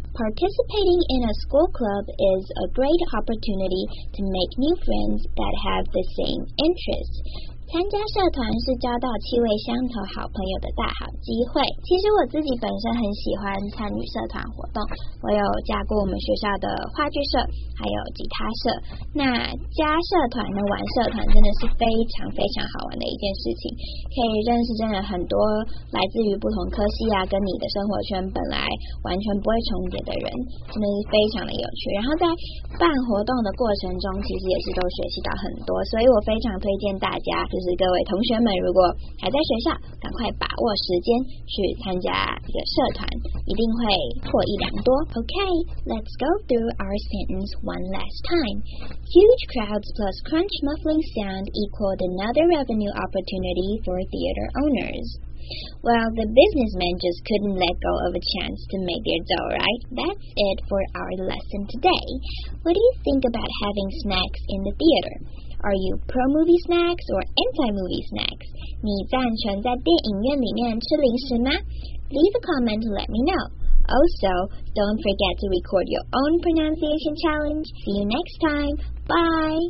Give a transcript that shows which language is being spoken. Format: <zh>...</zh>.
<en>Participating in a school club is a great opportunity to make new friends that have the same interests.</en> <zh>参加社团是交到气味相投好朋友的大好机会。其实我自己本身很喜欢参与社团活动，我有加过我们学校的话剧社还有吉他社。那加社团呢，玩社团真的是非常非常好玩的一件事情，可以认识真的很多来自于不同科系啊，跟你的生活圈本来完全不会重叠的人，真的是非常的有趣。然后在办活动的过程中其实也是都学习到很多，所以我非常推荐大家，就是各位同学们如果还在学校，赶快把握时间去参加一个社团，一定会获益良多。</zh> <en>OK, let's go through our sentence one last time. Huge crowds plus crunch muffling sound equaled another revenue opportunity for theater ownersWell, the businessmen just couldn't let go of a chance to make their dough, right? That's it for our lesson today. What do you think about having snacks in the theater? Are you pro-movie snacks or anti-movie snacks?</en> <zh>你赞成在电影院里面吃零食吗？</zh> <en>Leave a comment to let me know. Also, don't forget to record your own pronunciation challenge. See you next time. Bye!</en>